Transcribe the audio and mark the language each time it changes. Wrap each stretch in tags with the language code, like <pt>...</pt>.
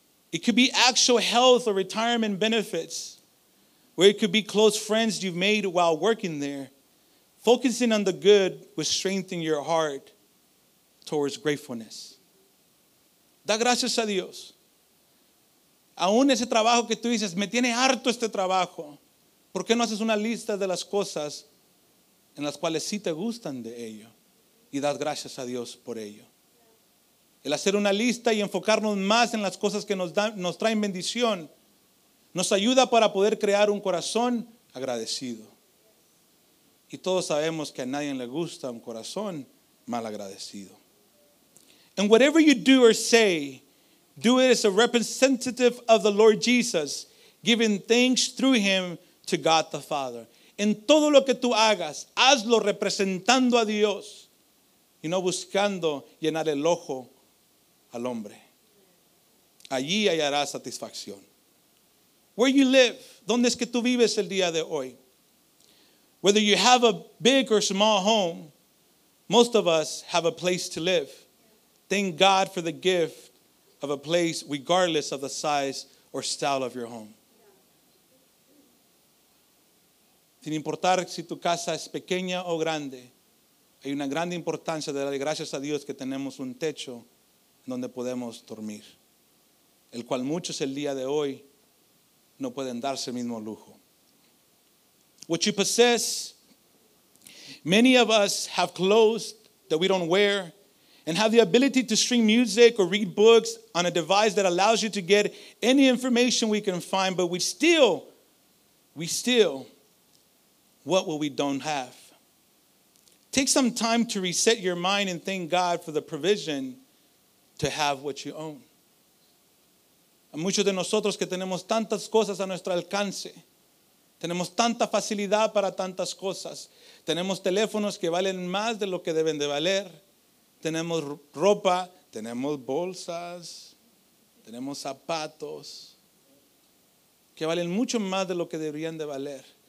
<en>It could be actual health or retirement benefits. Or it could be close friends you've made while working there. Focusing on the good will strengthen your heart towards gratefulness.</en> <es>Da gracias a Dios. Aún ese trabajo que tú dices, me tiene harto este trabajo. ¿Por qué no haces una lista de las cosas en las cuales sí te gustan de ello? Y das gracias a Dios por ello. El hacer una lista y enfocarnos más en las cosas que nos traen bendición, nos ayuda para poder crear un corazón agradecido. Y todos sabemos que a nadie le gusta un corazón mal agradecido.</es> <en>And whatever you do or say, do it as a representative of the Lord Jesus, giving thanks through him to God the Father.</en> <es>En todo lo que tú hagas, hazlo representando a Dios y no buscando llenar el ojo al hombre. Allí hallarás satisfacción.</es> <en>Where you live,</en> <es>¿dónde es que tú vives el día de hoy?</es> <en>Whether you have a big or small home, most of us have a place to live. Thank God for the gift of a place regardless of the size or style of your home.</en> <es>Sin importar si tu casa es pequeña o grande, hay una gran importancia de darle gracias a Dios que tenemos un techo donde podemos dormir, el cual muchos el día de hoy no pueden darse el mismo lujo.</es> <en>What you possess, many of us have clothes that we don't wear and have the ability to stream music or read books on a device that allows you to get any information we can find, but we still, what will we don't have? Take some time to reset your mind and thank God for the provision to have what you own.</en> <es>A muchos de nosotros que tenemos tantas cosas a nuestro alcance, tenemos tanta facilidad para tantas cosas, tenemos teléfonos que valen más de lo que deben de valer, tenemos ropa, tenemos bolsas, tenemos zapatos, que valen mucho más de lo que deberían de valer.</es>